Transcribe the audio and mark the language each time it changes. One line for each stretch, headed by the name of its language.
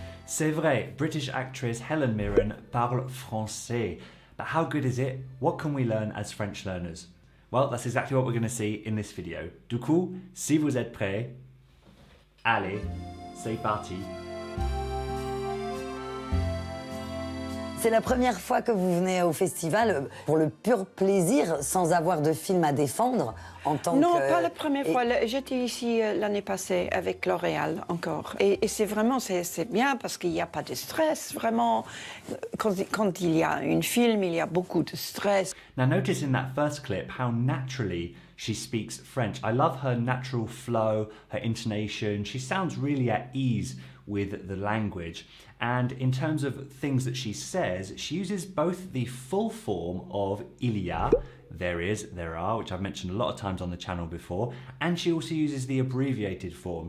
French: C'est vrai,
English: British actress
French: Helen Mirren parle français.
English: But how good is it? What can we learn as French learners? Well, that's exactly what we're going to see in this video.
French: Du coup, si vous êtes prêts, allez, c'est parti. C'est la première fois que vous venez au festival pour le pur plaisir, sans avoir de film à défendre en tant non, que... Non, pas la première fois. J'étais ici l'année passée avec L'Oréal encore. Et c'est vraiment, c'est bien parce qu'il n'y a pas de stress, vraiment. Quand il y a un film, il y a beaucoup de stress.
English: Now notice in that first clip how naturally she speaks French. I love her natural flow, her intonation. She sounds really at ease with the language. And in terms of things that she says, she uses both the full form of
French: il y a,
English: there is, there are, which I've mentioned a lot of times on the channel before, and she also uses the abbreviated form.